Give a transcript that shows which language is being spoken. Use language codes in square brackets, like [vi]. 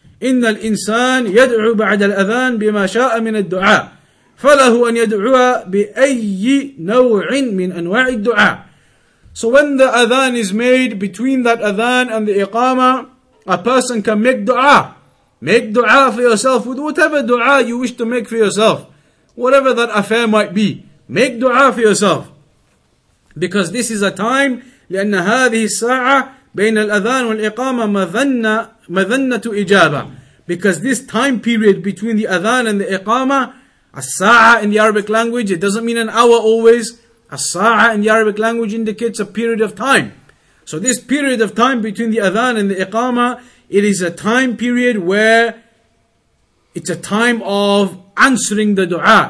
[ar] إِنَّ الْإِنسَانِ يَدْعُو بَعْدَ الْأَذَانِ بِمَا شَاءَ مِنَ الدُّعَاء فَلَهُ أَنْ يَدْعُوَ بِأَيِّ نَوْعٍ مِنْ أَنْوَاعِ الدُّعَاء. [en] So when the adhan is made between that adhan and the iqama, a person can make dua. Make dua for yourself with whatever dua you wish to make for yourself. Whatever that affair might be. Make dua for yourself. Because this is a time, [ar] لأن هذه الساعة بين الأذان والإقامة مذنة إجابة. [en] Because this time period between the adhan and the iqama, الساعة in the Arabic language, it doesn't mean an hour always. الساعة in the Arabic language indicates a period of time. So this period of time between the adhan and the iqama, it is a time period where it's a time of answering the dua.